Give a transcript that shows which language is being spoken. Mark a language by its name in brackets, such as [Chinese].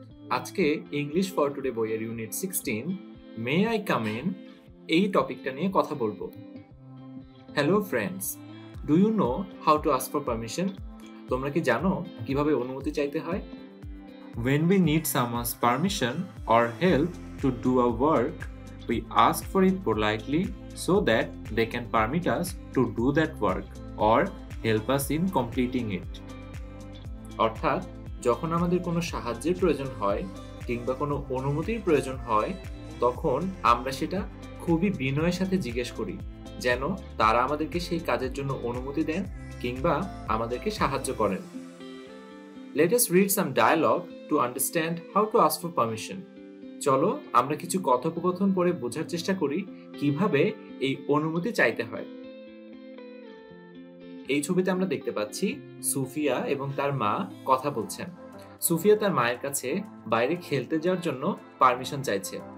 [Bangla] আজকে English for today বইয়ের unit 16 may I come in এই টপিকটা নিয়ে কথা বলবো। [English] Hello friends, do you know how to ask for permission? [Bangla] তোমরা কি জানো কিভাবে অনুমতি চাইতে হয়? [English] When we need someone's permission or help to do a work, we ask for it politely so that they can permit us to do that work or help us in completing it. [Bangla] অর্থাৎ যখন আমাদের কোনো সাহায্যের প্রয়োজন হয় কিংবা কোনো অনুমতির প্রয়োজন হয় তখন আমরা সেটা খুবই বিনয়ের সাথে জিজ্ঞেস করি যেন তারা আমাদেরকে সেই কাজের জন্য অনুমতি দেন কিংবা আমাদেরকে সাহায্য করেন। [English] Let us read some dialogue to understand how to ask for permission. [Bangla] চলো আমরা কিছু কথোপকথন পড়ে বোঝার চেষ্টা করি কিভাবে এই অনুমতি চাইতে হয়। এই ছবিতে আমরা দেখতে পাচ্ছি সুফিয়া এবং তার মা কথা বলছেন। সুফিয়া তার মায়ের কাছে বাইরে খেলতে যাওয়ার জন্য পারমিশন চাইছে।